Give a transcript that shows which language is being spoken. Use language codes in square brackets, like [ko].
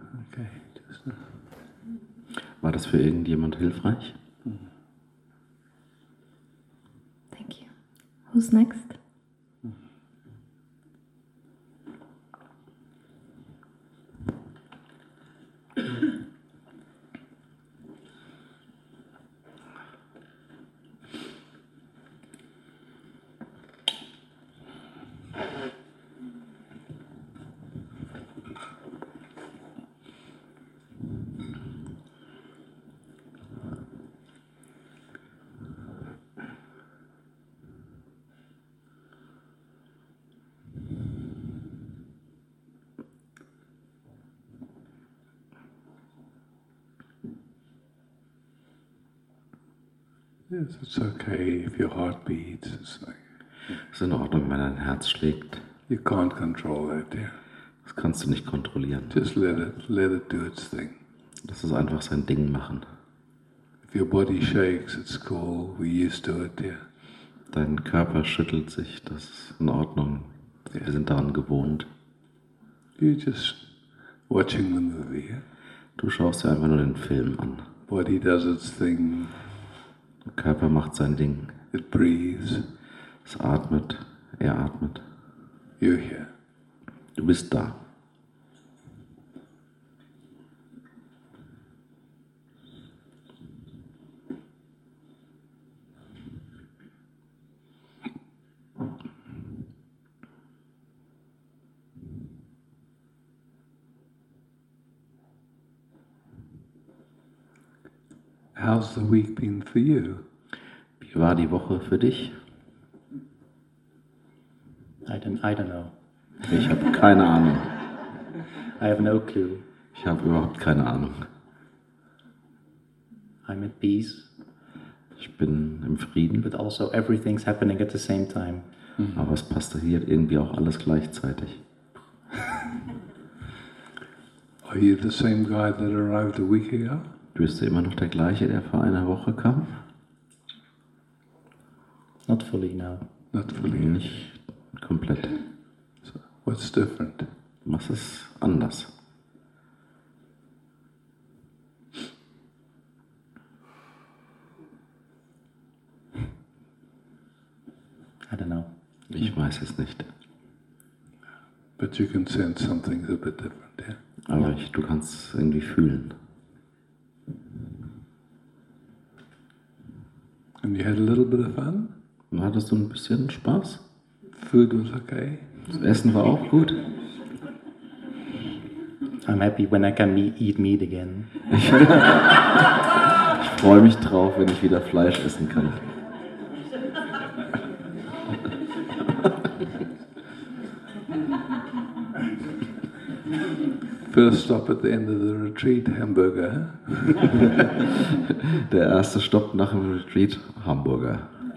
[en] Okay. [de] War das für irgendjemand hilfreich? [en] Thank you. Who's next? Yes, it's okay if your heart beats. It's like, [de] ist in Ordnung, wenn dein Herz schlägt. [en] You can't control it, yeah. [de] Das kannst du nicht kontrollieren. [en] Just let it do its thing. [de] Lass es einfach sein Ding machen. [en] If your body shakes, it's cool. We're used to it, yeah. [de] Dein Körper schüttelt sich. Das ist in Ordnung. Yeah. Wir sind daran gewohnt. [en] You're just watching the movie, yeah? [de] Du schaust dir einfach nur den Film an. [en] Body does its thing. [de] Körper macht sein Ding. [en] It breathes. [de] Es atmet. Er atmet. [en] You're here. [de] Du bist da. [en] How's the week been for you? [de] Wie war die Woche für dich? [en] I don't know. [de] Ich habe keine Ahnung. [en] I have no clue. [de] Ich habe überhaupt keine Ahnung. [en] I'm at peace. [de] Ich bin im Frieden. [en] But also everything's happening at the same time. Mhm. [de] Aber es passt hier irgendwie auch alles gleichzeitig. [en] Are you the same guy that arrived a week ago? [de] Du bist immer noch der gleiche, der vor einer Woche kam? [en] Not fully, no. Not fully. [de] Nicht komplett. [en] So, what's different? [de] Was ist anders? [en] I don't know. [de] Ich weiß es nicht. [en] But you can sense something a bit different, yeah? [de] Aber ich, du kannst es irgendwie fühlen. [en] And you had a little bit of fun? [de] Und hattest du ein bisschen Spaß? [en] Food was okay. [de] Das Essen war auch gut. [en] I'm happy when I can eat meat again. [de] Ich freue mich drauf, wenn ich wieder Fleisch essen kann. [en] First stop at the end of the retreat, Hamburger. [de] Der erste Stopp nach dem Retreat, Hamburger.